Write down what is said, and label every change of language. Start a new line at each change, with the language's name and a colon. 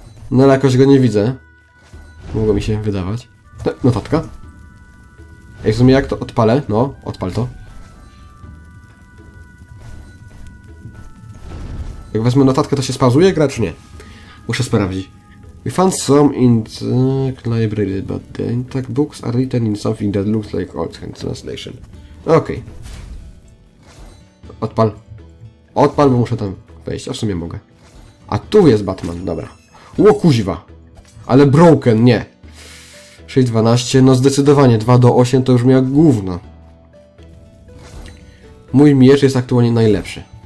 Polish: No ale jakoś go nie widzę. Mogło mi się wydawać. Notatka. Ej, w sumie jak to odpalę? No, odpal to. Jak wezmę notatkę, to się spauzuje gra, czy nie? Muszę sprawdzić.
English: We found some in the library, but the intact books are written in something that looks like old hand translation.
Polish: Okej.
English: Okay.
Polish: Odpal. Odpal, bo muszę tam wejść. A w sumie mogę. A tu jest Batman, dobra. Ło kuźwa! Ale
English: broken,
Polish: nie. 6-12, no zdecydowanie 2-8 to już miał gówno. Mój miecz jest aktualnie najlepszy.